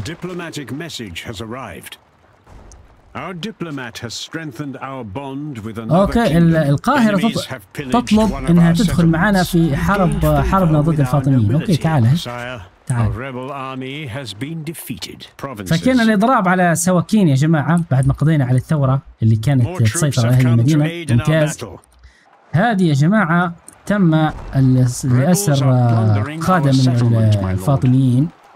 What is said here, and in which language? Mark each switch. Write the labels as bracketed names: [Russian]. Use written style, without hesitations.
[English] Diplomatic message has arrived. Our diplomat has strengthened our bond with another kingdom. [Arabic] اوكي القاهرة تطلب انها تدخل معنا في حربنا ضد الفاطميين. اوكي تعال [English] Our rebel army has been defeated. [Arabic] فكان الإضراب على سواكين يا جماعة بعد ما قضينا على الثورة اللي كانت تسيطر على هذه المدينة. ممتاز. هذه يا جماعة تم الأسر قادة من الفاطميين.